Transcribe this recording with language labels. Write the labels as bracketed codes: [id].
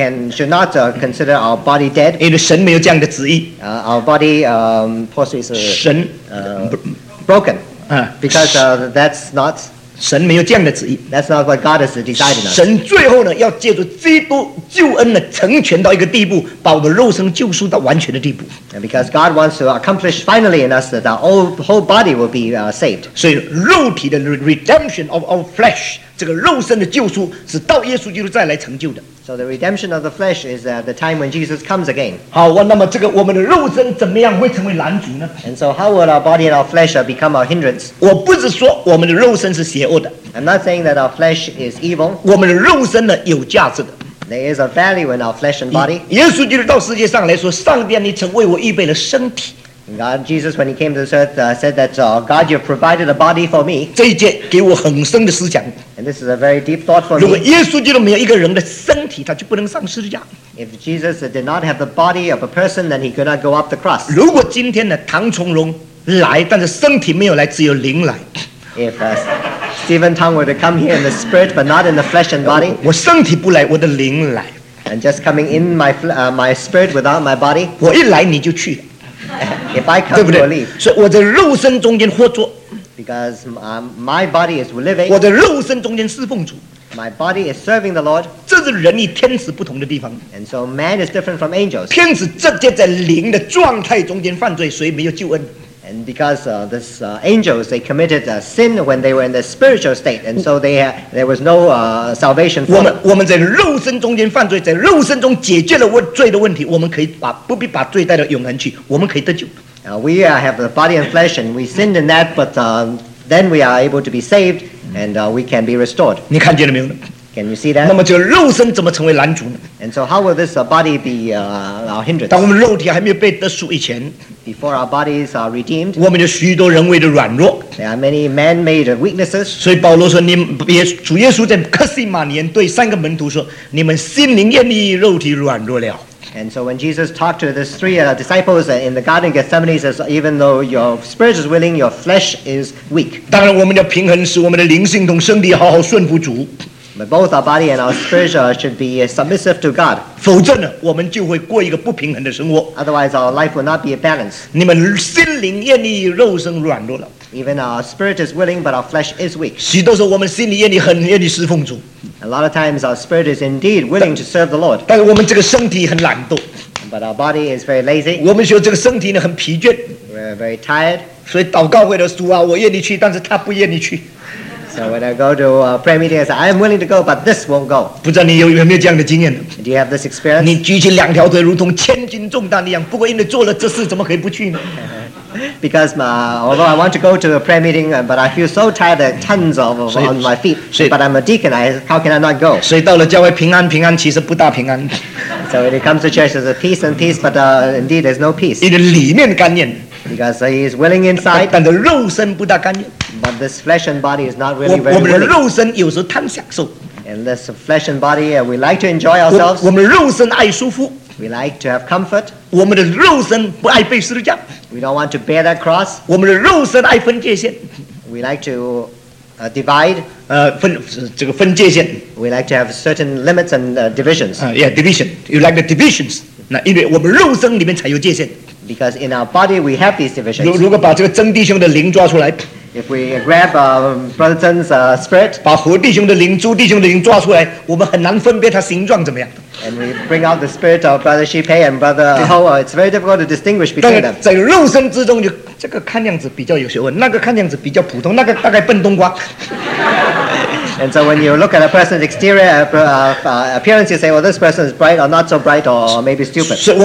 [en] should not consider our body dead. Our body possibly is broken. Because that's not [zh] 神没有这样的旨意, [en] that's not what God has decided. [zh] 神最后呢, 要借助基督救恩的成全到一个地步, 把我们肉身救赎到完全的地步。 [en] And because God wants to accomplish finally in us that our whole body will be saved. [zh] 所以肉体的 [en] redemption of our flesh, [zh] 这个肉身的救赎是到耶稣基督再来成就的。 [en] So the redemption of the flesh is the time when Jesus comes again. [zh] 好, 那么这个我们的肉身怎么样会成为拦阻呢? [en] And so how will our body and our flesh become our hindrance? [zh] 我不是说我们的肉身是邪恶的。 [en] I'm not saying that our flesh is evil. [zh] 我们的肉身呢有价值的。 [en] There is a value in our flesh and body. [zh] 耶稣基督到世界上来说, 上帝啊你曾为我预备了身体。 [en] God, Jesus, when he came to this earth, said that, God, you have provided a body for me. [zh] 这一节给我很深的思想。 [en] And this is a very deep thought for me. [zh] 如果耶稣基督没有一个人的身体, 他就不能上十字架。 [en] If Jesus did not have the body of a person, then he could not go up the cross. [zh] 如果今天呢, 唐崇荣来, 但是身体没有来, 只有灵来。 [en] If Stephen Tong were to come here in the spirit, but not in the flesh and body. [zh] 我身体不来, 我的灵来。 [en] And just coming in my, my spirit without my body. [zh] 我一来, 你就去。 [en] If I come, [zh] 对不对? [en] To believe, [zh] 所以我在肉身中间活着, [en] because my body is living, [zh] 我在肉身中间侍奉主, [en] my body is serving the Lord, [zh] 这是人与天使不同的地方, [en] and so man is different from angels. [zh] 天使直接在灵的状态中间犯罪, 所以没有救恩。 [en] And because these angels, they committed a sin when they were in the spiritual state, and so there was no salvation for them. [zh] 我们在肉身中间犯罪, 在肉身中解决了罪的问题, 我们可以不必把罪带到永恒去, 我们可以得救。 [en] We have the body and flesh, and we sinned in that, but then we are able to be saved, and we can be restored. [zh] 你看见了没有呢? [en] Can you see that? [zh] 那么这个肉身怎么成为拦阻呢? [en] And so how will this body be our hindrance? [zh] 当我们肉体还没有被得赎以前, [en] before our bodies are redeemed, [zh] 我们有许多人为的软弱, [en] there are many man-made weaknesses. [zh] 所以保罗说, 主耶稣在克西马尼园对三个门徒说, 你们心灵愿意肉体软弱了。 [en] And so when Jesus talked to these three disciples in the Garden of Gethsemane, he says, even though your spirit is willing, your flesh is weak. [zh] 当然我们的平衡是我们的灵性同身体好好顺服主。 [en] But both our body and our spirit should be submissive to God. [zh] 否则呢, [en] otherwise, our life will not be balanced. [zh] 你们心灵愿意肉身软弱了。 [en] Even our spirit is willing, but our flesh is weak. [zh] 许多时候我们心里愿意很愿意侍奉主。 [en] A lot of times our spirit is indeed willing to serve the Lord. [zh] 但是我们这个身体很懒惰。 [en] But our body is very lazy. [zh] 我们说这个身体呢很疲倦。 [en] We're very tired. [zh] 所以祷告会的主啊, 我愿意去, 但是他不愿意去。 [en] So when I go to a prayer meeting, I say, I am willing to go, but this won't go. [zh] 不知道你有没有这样的经验呢? [en] Do you have this experience? [zh] 你举起两条腿如同千斤重担一样,不过因为做了这事怎么可以不去呢? [en] Because although I want to go to a prayer meeting, but I feel so tired that tons of on my feet. But I'm a deacon, how can I not go? [zh] 所以到了教会平安,平安其实不大平安。 [en] So when he comes to church, there's a peace and peace, but indeed there's no peace. [zh] 你的里面甘愿。 [en] Because he is willing inside, [zh] 但肉身不大甘愿。 [en] But this flesh and body is not really very willing. [zh] 我们的肉身有时贪享受。 [en] And this flesh and body, we like to enjoy ourselves. [zh] 我们肉身爱舒服。 [en] We like to have comfort. [zh] 我们的肉身不爱被施加。 [en] We don't want to bear that cross. [zh] 我们的肉身爱分界线。 [en] We like to divide. [zh] 分界线。 [en] We like to have certain limits and divisions. Yeah, division. You like the divisions. [zh] 那因为我们肉身里面才有界线。 [en] Because in our body we have these divisions. [zh] 如果把这个曾弟兄的灵抓出来。 [en] If we grab Brother Zhen's spirit, [zh] 把胡弟兄的灵、朱弟兄的灵抓出来, 我们很难分别他形状怎么样。 [en] And we bring out the spirit of Brother Shi Pei and Brother Ho, it's very difficult to distinguish between them. [zh] 在肉身之中就, 这个看样子比较有学问, 那个看样子比较普通, 那个大概笨冬瓜。 [en] And so when you look at a person's exterior appearance, you say, well, this person is bright or not so bright or maybe stupid.